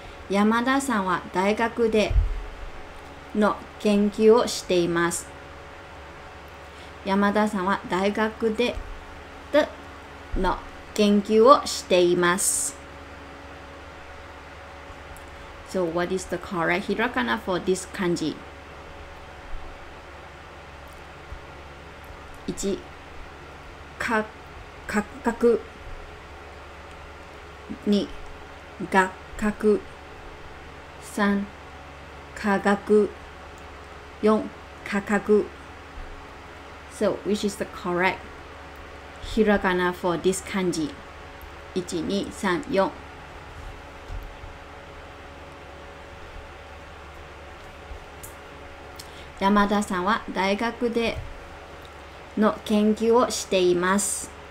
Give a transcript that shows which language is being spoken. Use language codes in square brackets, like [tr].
[ja] 山田さんは大学での研究をしています。山田さんは大学での研究をしています。 [en] So what is the correct hiragana for this kanji? [ja] 1. 角2. 学角3. 科学4. [en] 価格 So which is the correct hiragana for this kanji? [ja] 1, 2, 3, 4 山田さんは大学での研究をしています。